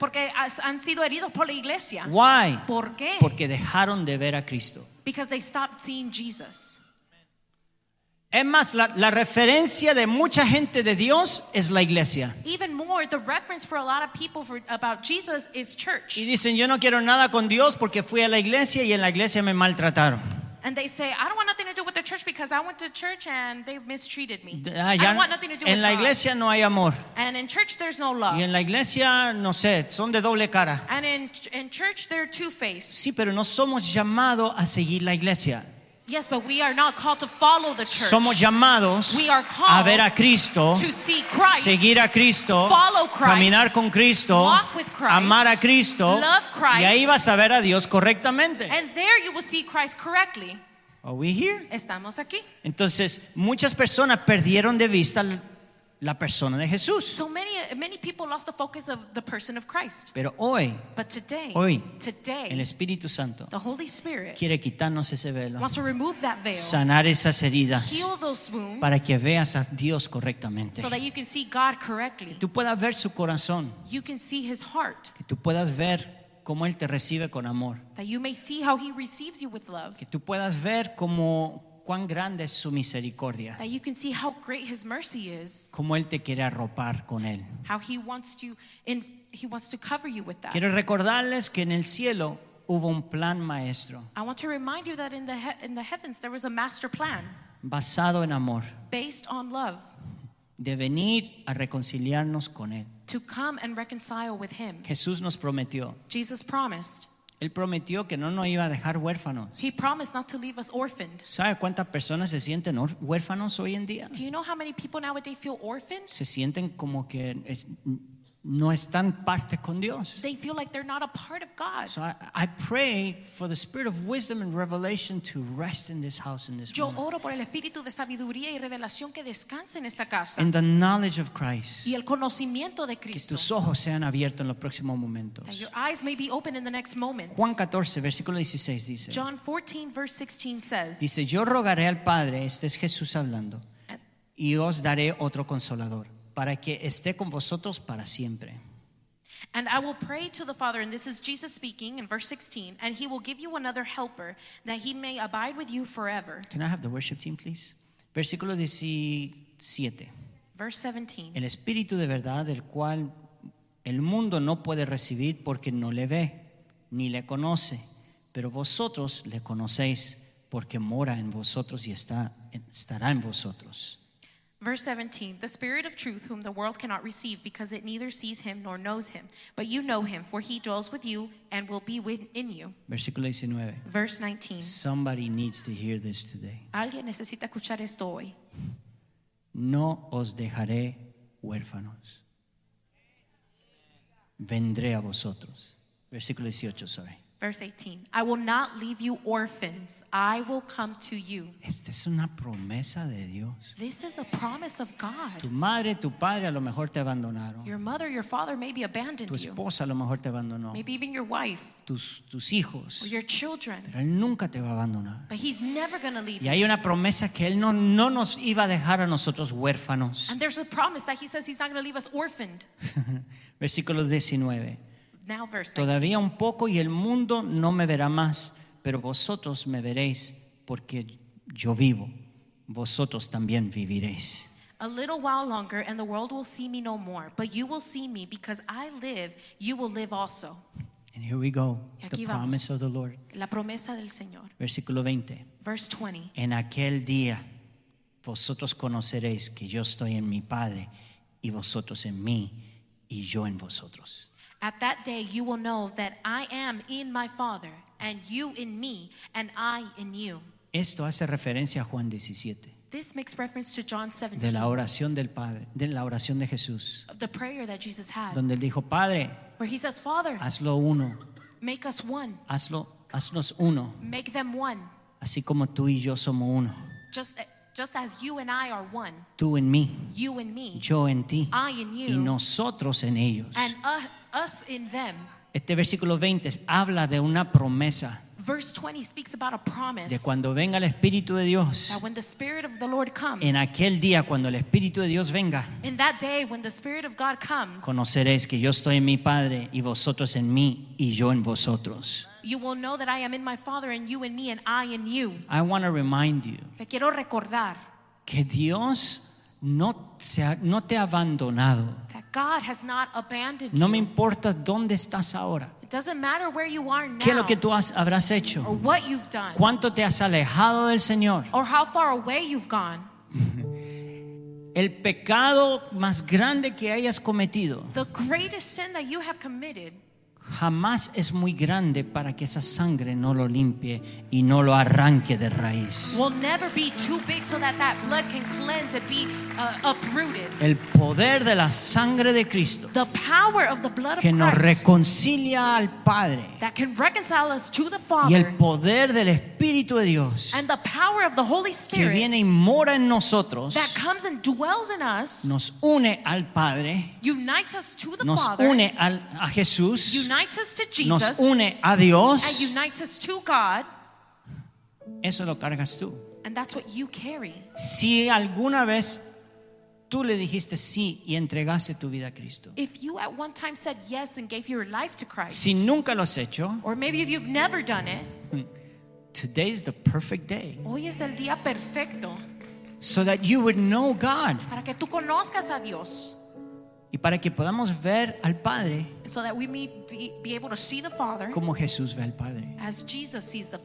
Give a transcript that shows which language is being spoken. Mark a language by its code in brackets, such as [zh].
[es] Porque han sido heridos por la iglesia. [en] Why? [es] ¿Por qué? Porque dejaron de ver a Cristo. [en] Because they stopped seeing Jesus. [es] Es más, la referencia de mucha gente de Dios es la iglesia. [en] Even more, the reference for a lot of people about Jesus is church. [es] Y dicen, yo no quiero nada con Dios porque fui a la iglesia y en la iglesia me maltrataron. [en] And they say, I don't want nothing to do with the church because I went to church and they mistreated me. I don't want nothing to do with God. [es] En la iglesia no hay amor. [en] And in church there's no love. [es] Y en la iglesia, no sé, son de doble cara. [en] And in church they're two-faced. [es] Sí, pero no somos llamados a seguir la iglesia. [en] Yes, but we are not called to follow the church. [es] Somos llamados, [en] we are called [es] a ver a Cristo, [en] to see Christ, [es] seguir a Cristo, [en] follow Christ, [es] caminar con Cristo, [en] walk with Christ, [es] amar a Cristo, [en] love Christ, [es] y ahí vas a ver a Dios correctamente. [en] And there you will see Christ correctly. Are we here? [es] Estamos aquí. Entonces, muchas personas perdieron de vista la persona de Jesús. [en] So many people lost the focus of the person of Christ. [es] Pero hoy, [en] but today, [es] hoy, [en] today, [es] el Espíritu Santo, [en] the Holy Spirit, [es] quiere quitarnos ese velo, [en] wants to remove that veil, [es] sanar esas heridas, [en] heal those wounds, [es] para que veas a Dios correctamente, [en] so that you can see God correctly, [es] que tú puedas ver su corazón, [en] you can see his heart, [es] que tú puedas ver cómo él te recibe con amor, [en] that you may see how he receives you with love, [es] que tú puedas ver cómo cuán grande es su misericordia. [en] That you can see how great his mercy is. [es] Cómo él te quiere arropar con él. [en] How he wants to cover you with that. [es] Quiero recordarles que en el cielo hubo un plan maestro. [en] I want to remind you that in the heavens there was a master plan. [es] Basado en amor. [en] Based on love. [es] De venir a reconciliarnos con él. [en] to come and reconcile with him. [es] Jesús nos prometió. [en] Jesus promised. [es] Él prometió que no nos iba a dejar huérfanos. [en] He promised not to leave us orphaned. [es] ¿Sabe cuántas personas se sienten huérfanos hoy en día? [en] Do you know how many people nowadays feel orphaned? [es] Se sienten como que no están parte con Dios. [en] They feel like they're not a part of God. So I pray for the spirit of wisdom and revelation to rest in this house in this [es] Yo moment. Yo oro por el espíritu de sabiduría y revelación que descanse en esta casa. [en] In the knowledge of Christ. [es] Y el conocimiento de Cristo. Que tus ojos sean abiertos en los próximos momentos. [en] That your eyes may be open in the next moments. [es] Juan 14, versículo 16 dice. [en] John 14, verse 16 says. [es] Dice, yo rogaré al Padre, este es Jesús hablando, y os daré otro consolador. Para que esté con vosotros para siempre. [en] And I will pray to the Father, and this is Jesus speaking in verse 16, and he will give you another helper that he may abide with you forever. Can I have the worship team, please? [es] Versículo 17. [en] Verse 17. [es] El Espíritu de verdad, el cual el mundo no puede recibir porque no le ve, ni le conoce, pero vosotros le conocéis porque mora en vosotros y estará en vosotros. [en] Verse 17, the Spirit of truth whom the world cannot receive because it neither sees him nor knows him, but you know him, for he dwells with you and will be within you. [es] Versículo 19. [en] Verse 19. Somebody needs to hear this today. [es] Alguien necesita escuchar esto hoy. No os dejaré huérfanos. Vendré a vosotros. Versículo 18, sorry. [en] Verse 18, I will not leave you orphans. I will come to you. [es] Esta es una promesa de Dios. [en] This is a promise of God. [es] Tu madre, tu padre a lo mejor te abandonaron. [en] Your mother, your father maybe abandoned you. [es] Tu esposa a lo mejor te abandonó. [en] Maybe even your wife. [es] Tus hijos. [en] Or your children. [es] Pero él nunca te va a abandonar. [en] But he's never going to leave [es] you. Y hay una promesa que él no nos iba a dejar a nosotros huérfanos. [en] And there's a promise that he says he's not going to leave us orphaned. [es] Versículo 19. [en] Now verse 19. [es] Todavía un poco y el mundo no me verá más, pero vosotros me veréis porque yo vivo. Vosotros también viviréis. [en] A little while longer and the world will see me no more, but you will see me because I live, you will live also. And here we go. The promise of the Lord. [es] La promesa del Señor. Versículo 20. [en] Verse 20. [es] En aquel día vosotros conoceréis que yo estoy en mi Padre y vosotros en mí y yo en vosotros. [en] At that day you will know that I am in my Father, and you in me, and I in you. [es] Esto hace referencia a Juan 17. [en] This makes reference to John 17. [es] De la oración del Padre, de la oración de Jesús. [en] Of the prayer that Jesus had. [es] Donde él dijo, Padre, [en] where he says, Father, [es] hazlo uno. [en] Make us one. [es] Haznos uno. [en] Make them one. [es] Así como tú y yo somos uno. [en] Just as you and I are one. [es] Tú en mí. [en] You and me. [es] Yo en ti. [en] I in you. [es] Y nosotros en ellos. [en] And us in them. [es] Este versículo 20 habla de una promesa. [en] Verse 20 speaks about a promise. [es] De cuando venga el Espíritu de Dios. [en] That when the Spirit of the Lord comes. [es] En aquel día cuando el Espíritu de Dios venga. [en] In that day when the Spirit of God comes. [es] Conoceréis que yo estoy en mi Padre y vosotros en mí y yo en vosotros. [en] You will know that I am in my Father and you in me and I in you. I want to remind you. [es] Te quiero recordar. Que Dios no te ha abandonado. [en] God has not abandoned [es] you. No me importa dónde estás ahora. [en] It doesn't matter where you are now. [es] ¿Qué es lo que tú habrás hecho? [en] Or what you've done. [es] ¿Cuánto te has alejado del Señor? [en] Or how far away you've gone. [es] El pecado más grande que hayas cometido. [en] The greatest sin that you have committed. [es] Jamás es muy grande para que esa sangre no lo limpie y no lo arranque de raíz. [en] Will never be too big so that blood can cleanse and be uprooted. [es] El poder de la sangre de Cristo. [en] The power of the blood of Christ. [es] Que nos reconcilia al Padre. [en] That can reconcile us to the Father. [es] Y el poder del Espíritu de Dios. [en] And the power of the Holy Spirit. [es] Que viene y mora en nosotros. [en] That comes and dwells in us. [es] Nos une al Padre. [en] Unites us to the [es] nos [en] Father. [es] Nos une a Jesús. [en] Unites us to Jesus. [es] Nos une a Dios. [en] And unites us to God. [es] Eso lo cargas tú. [en] And that's what you carry. [es] Si alguna vez tú le dijiste sí y entregaste tu vida a Cristo. [en] If you at one time said yes and gave your life to Christ. [es] Si nunca lo has hecho. [en] Or maybe if you've never done it. Today is the perfect day. [es] Hoy es el día perfecto. [en] So that you would know God. [es] Para que tú conozcas a Dios. Y para que podamos ver al Padre, [en] so that we may be able to see the Father, [es] como Jesús ve al Padre, [en] as Jesus sees the Father,